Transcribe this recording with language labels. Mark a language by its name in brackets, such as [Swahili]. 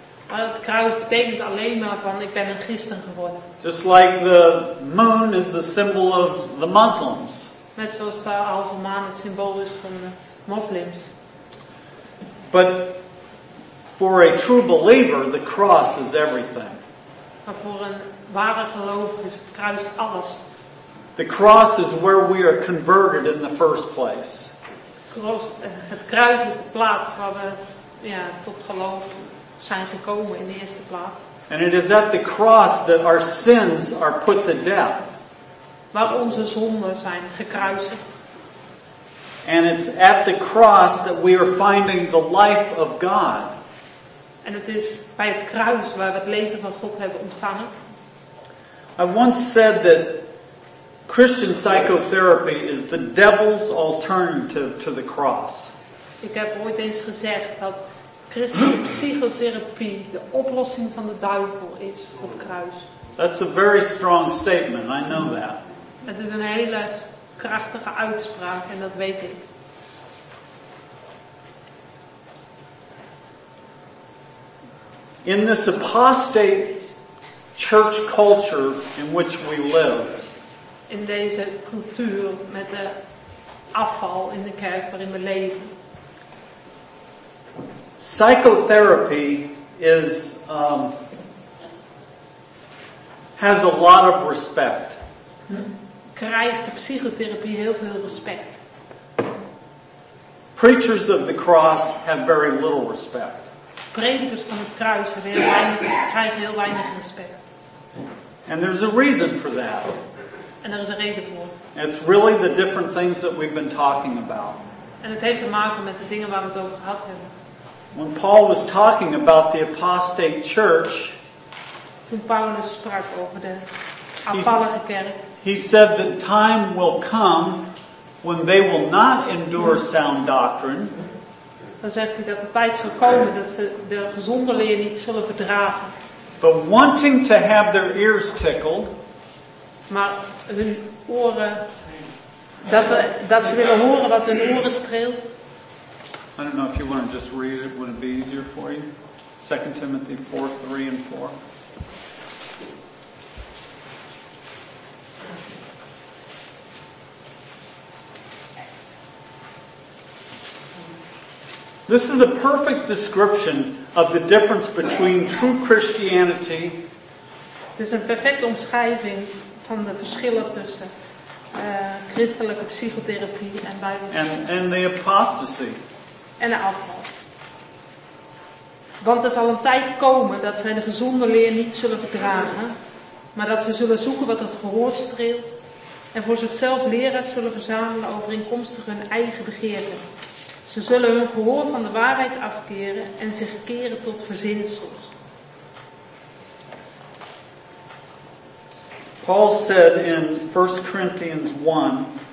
[Dutch] Maar het kruis betekent alleen maar van ik ben een christen geworden. [English] Just like the moon is the symbol of the Muslims. [Dutch] Net zoals de halve maan het symbool is van de moslims. [English] But for a true believer, the cross is everything. [Dutch] Maar voor een ware gelovige is het kruis alles. [English] The cross is where we are converted in the first place. [Dutch] Het kruis is de plaats waar we ja, tot geloof zijn gekomen in de eerste plaats. [English] And it is at the cross that our sins are put to death. [Dutch] Waar onze zonden zijn gekruisigd. [English] And it's at the cross that we are finding the life of God. [Dutch] En het is bij het kruis waar we het leven van God hebben ontvangen. [English] I once said that Christian psychotherapy is the devil's alternative to the cross. [Dutch] Ik heb ooit eens gezegd dat christelijke psychotherapie de oplossing van de duivel is op het kruis. [English] That's a very strong statement, I know that. [Dutch] Het is een hele krachtige uitspraak en dat weet ik. [English] In this apostate church culture in which we live. [Dutch] In deze cultuur met de afval in de kerk waarin we leven. [English] Psychotherapy is has a lot of respect. [Dutch] Krijgt de psychotherapie heel veel respect. [English] Preachers of the cross have very little respect. [Dutch] Predikers van het kruis krijgen heel weinig respect. [English] And there's a reason for that. [Dutch] En er is een reden voor. [English] It's really the different things that we've been talking about. [Dutch] En het heeft te maken met de dingen waar we het over gehad hebben. [English] When Paul was talking about the apostate church, [Dutch] toen Paulus sprak over de afvallige kerk, [English] he said that time will come when they will not endure sound doctrine. [Dutch] Dan zegt hij dat de tijd zal komen dat ze de gezonde leer niet zullen verdragen. [English] But wanting to have their ears tickled, [Dutch] maar hun oren, dat ze willen horen wat hun oren streelt. [English] I don't know if you want to just read it, would it be easier for you? 2 Timothy 4, 3 and 4. This is a perfect description of the difference between true Christianity. [Dutch] Dit is een perfecte omschrijving van de verschillen tussen christelijke psychotherapie en Bijbel. [English] And the apostasy. [Dutch] En de afval. Want er zal een tijd komen dat zij de gezonde leer niet zullen verdragen, maar dat ze zullen zoeken wat het gehoor streelt en voor zichzelf leraars zullen verzamelen overeenkomstig hun eigen begeerten. Ze zullen hun gehoor van de waarheid afkeren en zich keren tot verzinsels. [English] Paul said in 1 Corinthians 1.